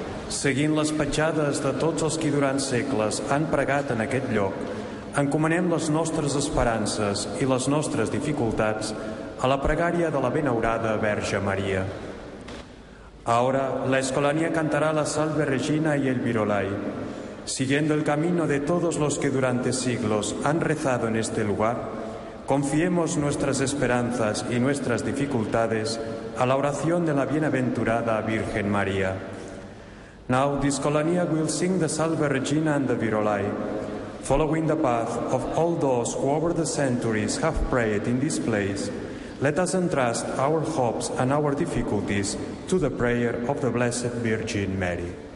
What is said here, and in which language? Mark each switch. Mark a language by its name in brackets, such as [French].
[Catalan] Seguint les petjades de tots els qui durant segles han pregat en aquest lloc, encomanem les nostres esperances i les nostres dificultats a la pregària de la benaurada Verge Maria. Ahora, l'Escolania cantarà la Salve Regina i el Virolai. [Spanish] Siguiendo el camino de todos los que durante siglos han rezado en este lugar, confiemos nuestras esperanzas y nuestras dificultades a la oración de la bienaventurada Virgen María. [English] Now the Scolania will sing the Salve Regina and the Virolai, following the path of all those who over the centuries have prayed in this place. Let us entrust our hopes and our difficulties to the prayer of the Blessed Virgin Mary.